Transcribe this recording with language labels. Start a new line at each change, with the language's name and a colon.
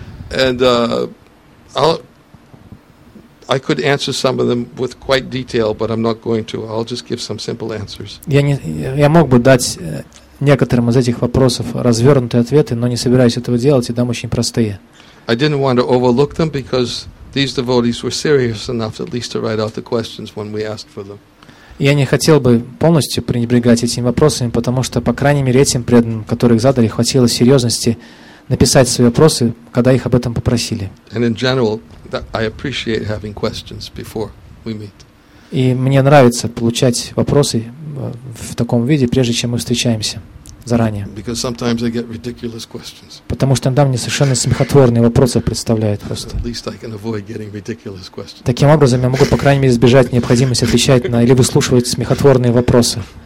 English: And I could answer some of them with quite detail, but I'm not going to. I'll just give some simple answers.
Russian: Я мог бы дать некоторым из этих вопросов развернутые ответы, но не собираюсь этого делать, и дам очень простые.
English: I didn't want to overlook them because these devotees were serious enough at least to write out the questions when we asked for them.
Russian: Я не хотел бы полностью пренебрегать этими вопросами, потому что, по крайней мере, этим преданным, которых задали, хватило серьезности написать свои вопросы, когда их об этом попросили.
English: And in general, I appreciate having questions before we meet.
Russian: И мне нравится получать вопросы в таком виде, прежде чем мы встречаемся заранее.
English: Because sometimes I get ridiculous questions.
Russian: Потому что иногда мне совершенно смехотворные вопросы представляют просто.
English: At least I can avoid getting ridiculous questions.
Russian: Таким образом, я могу, по крайней мере, избежать необходимости отвечать на или выслушивать смехотворные вопросы.